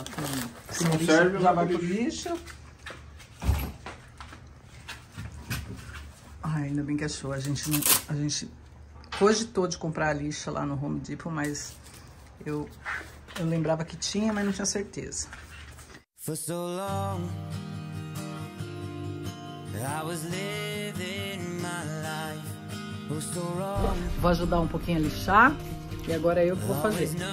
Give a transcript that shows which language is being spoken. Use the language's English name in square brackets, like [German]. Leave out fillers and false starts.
[Portuguese] Que não lixo, serve, já vai pro lixo. Ai, ainda bem que achou. A gente cogitou de comprar a lixa lá no Home Depot, mas eu lembrava que tinha, mas não tinha certeza. [English] For so long, I was living my life. Oh, so wrong. [Portuguese] Vou ajudar um pouquinho a lixar e agora é eu que vou fazer.